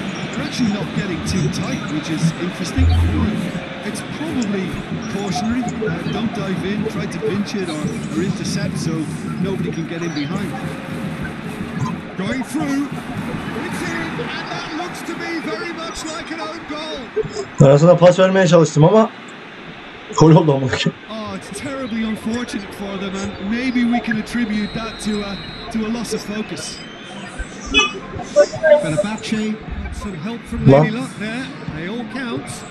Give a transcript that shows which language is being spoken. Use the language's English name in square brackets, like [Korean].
[English] They're actually not getting too tight, which is interesting. It's probably cautionary. Don't dive in, try to pinch it or intercept so nobody can get in behind. Going through. It's in and that looks to be very much like an own goal. [Turkish] Ben aslında pas vermeye çalıştım ama gol oldu ama. Oh, [English] it's terribly unfortunate for them, and maybe we can attribute that to a loss of focus. Fenerbahçe, some help from Lady Luck there. They all count.